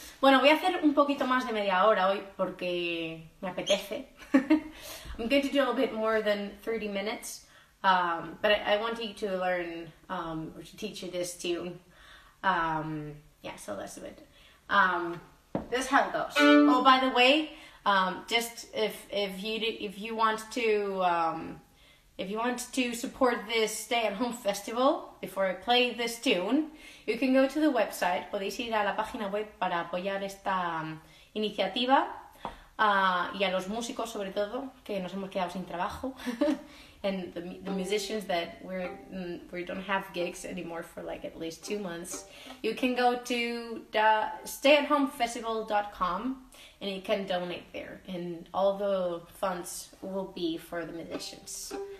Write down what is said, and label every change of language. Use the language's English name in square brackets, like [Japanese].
[Spanish] Bueno, voy a hacer un poquito más de media hora hoy porque me apetece. [English] I'm going to do a little bit more than 30 minutes. But I want you to learn, or to teach you this tune. Yeah, so that's a bit. This is how it goes. Oh, by the way, just if you want to... if you want to support this stay-at-home festival before I play this tune, you can go to the website. [Spanish] Podéis ir a la página web para apoyar esta iniciativa y a los músicos, sobre todo, que nos hemos quedado sin trabajo. [English] And the musicians that we don't have gigs anymore for like at least 2 months. You can go to the stayathomefestival.com and you can donate there. And all the funds will be for the musicians.